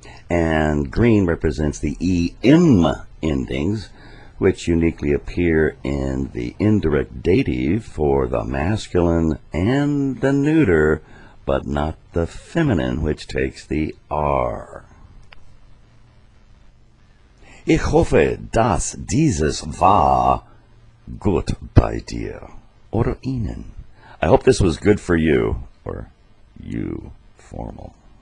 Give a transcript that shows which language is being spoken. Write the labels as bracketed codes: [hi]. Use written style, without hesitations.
[en] And green represents the EM endings, which uniquely appear in the indirect dative for the masculine and the neuter, but not the feminine, which takes the R. [de] Ich hoffe, dass dieses war gut bei dir oder Ihnen. [en] I hope this was good for you, or you, formal.